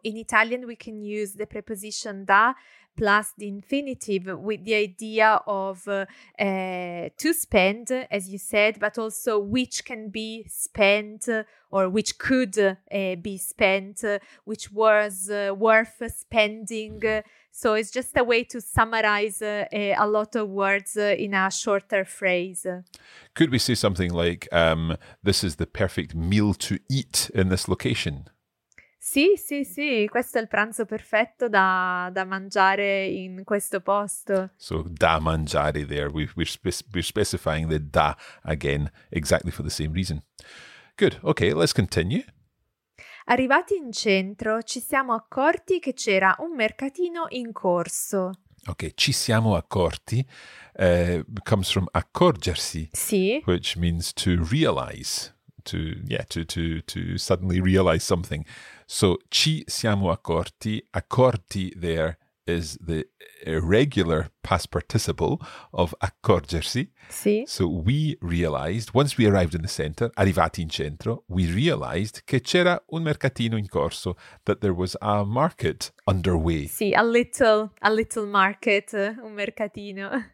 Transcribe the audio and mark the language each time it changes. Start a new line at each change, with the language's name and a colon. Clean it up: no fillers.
English: In Italian, we can use the preposition da plus the infinitive with the idea of to spend, as you said, but also which can be spent or which could be spent, which was worth spending. So it's just a way to summarize a lot of words in a shorter phrase. Could we say something like, this is the perfect meal to eat in this location?
Italian: Sì, sì, sì, questo è il pranzo perfetto da mangiare in questo posto.
English: So,
Italian: da mangiare
English: there, we're specifying the da again, exactly for the same reason. Good, okay, let's continue.
Italian: Arrivati in centro, ci siamo accorti che c'era un mercatino in corso.
English: Ok,
Italian: ci siamo accorti,
English: comes from accorgersi.
Italian: Sì.
English: Which means to realize, to suddenly realize something. So,
Italian: ci siamo accorti.
English: Accorti there is the irregular past participle of accorgersi.
Italian: Sì.
English: So, we realized, once we arrived in the center,
Italian: arrivati in centro,
English: we realized
Italian: che c'era un mercatino in corso,
English: that there was a market underway. Sì, a little market,
Italian: un mercatino.